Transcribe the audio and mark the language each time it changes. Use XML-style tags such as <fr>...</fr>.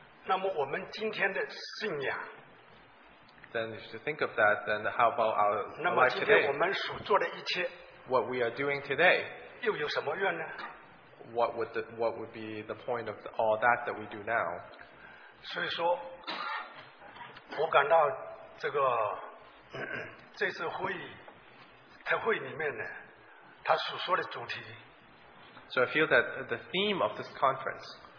<zh>那么我们今天的信仰,</zh> <en>then if you think of that, then how about our life today? What we are doing today,</en> <zh>又有什么愿呢?</zh> <en>what would be the point of all that that we do now?</en> <zh>所以说, 我感到这个, 这次会, 特会里面呢, 他所说的主题,</zh> <en>so I feel that the theme of this conference</en>